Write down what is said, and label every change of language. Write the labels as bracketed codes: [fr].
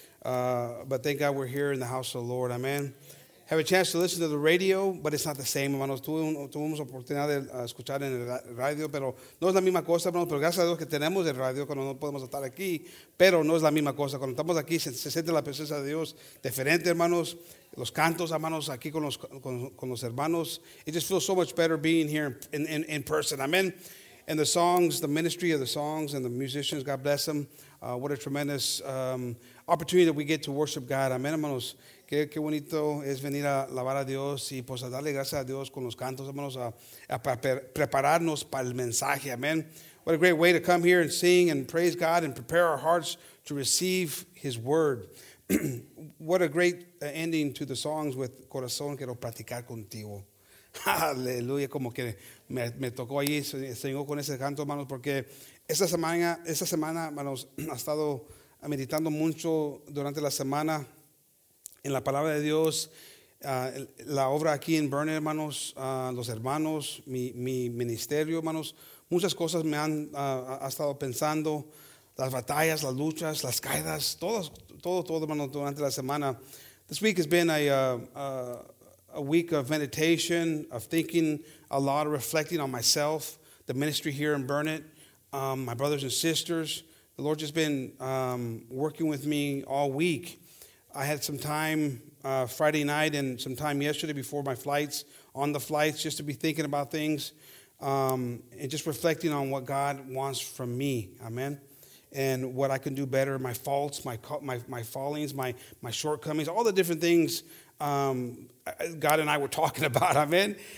[en] But thank God we're here in the house of the Lord. Amen. Have a chance to listen to the radio, but it's not the same, hermanos. [es] Tuvimos oportunidad de escuchar en el radio, pero no es la misma cosa, hermanos. Pero gracias a Dios que tenemos el radio cuando no podemos estar aquí. Pero no es la misma cosa. Cuando estamos aquí, se siente la presencia de Dios diferente, hermanos. Los cantos, hermanos, aquí con los hermanos. [en] It just feels so much better being here in person. Amen. And the songs, the ministry of the songs and the musicians, God bless them. What a tremendous opportunity that we get to worship God. [es] Amen, hermanos. Qué bonito es venir a alabar a Dios y pues a darle gracias a Dios con los cantos, hermanos, a prepararnos para el mensaje, amen. [en] What a great way to come here and sing and praise God and prepare our hearts to receive his word. What a great ending to the songs with Corazón Quiero Platicar Contigo. [es] Aleluya, como que me tocó allí, Señor, con ese canto, hermanos, porque esta semana, hermanos, ha estado meditando mucho durante la semana en la palabra de Dios, la obra aquí en Burnet, hermanos, los hermanos, mi ministerio, hermanos. Muchas cosas me han ha estado pensando, las batallas, las luchas, las caídas, todo, hermanos, durante la semana. [en] This week has been a week of meditation, of thinking a lot, of reflecting on myself, the ministry here in Burnet, my brothers and sisters. The Lord has been working with me all week. I had some time Friday night and some time yesterday before my flights, on the flights, just to be thinking about things and just reflecting on what God wants from me, amen, and what I can do better, my faults, my fallings, my shortcomings, all the different things God and I were talking about, amen.